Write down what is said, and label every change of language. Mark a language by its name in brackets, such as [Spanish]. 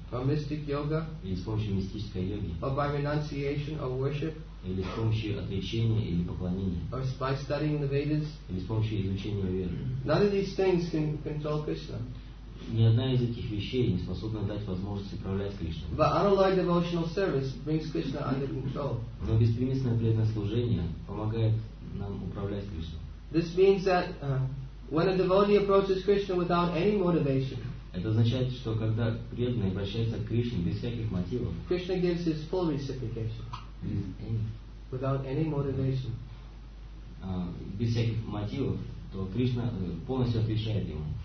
[English] Or mystic yoga. [Russian] Или с помощью мистической йоги. [English] Or by renunciation or worship. [Russian] Или с помощью отречения или поклонения. [English] Or by studying the Vedas. [Russian] Или с помощью изучения веды. [English] None of these things can control Krishna. [Russian] Ни одна из этих вещей не способна дать возможность управлять Кришной. [English] But unalloyed devotional service brings Krishna under control. [Russian] Но беспримесное преданное служение помогает нам управлять Кришной. [English] This means that when a devotee approaches Krishna without any motivation. [Russian] Это означает, что когда преданный обращается к Кришне без всяких мотивов. [English] Krishna gives his full reciprocation. Without any motivation. [Russian] Без всяких мотивов, то Кришна полностью отвечает ему.